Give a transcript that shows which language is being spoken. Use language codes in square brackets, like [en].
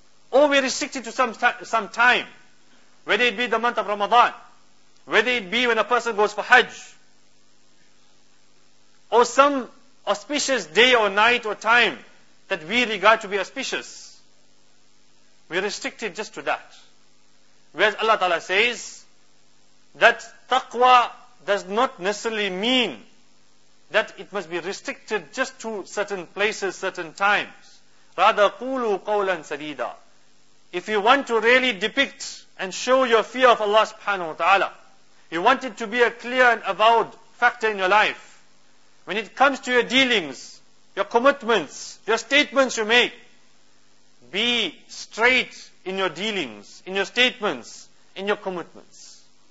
[en] Or we restrict it to some time, whether it be the month of Ramadan, whether it be when a person goes for Hajj, or some auspicious day or night or time that we regard to be auspicious. We restrict it just to that. Whereas Allah Ta'ala says that taqwa does not necessarily mean that it must be restricted just to certain places, certain times. [ar] Rather, قُولُوا قَوْلًا سَدِيدًا. [en] If you want to really depict and show your fear of Allah subhanahu wa ta'ala, you want it to be a clear and avowed factor in your life. When it comes to your dealings, your commitments, your statements you make, be straight in your dealings, in your statements, in your commitments.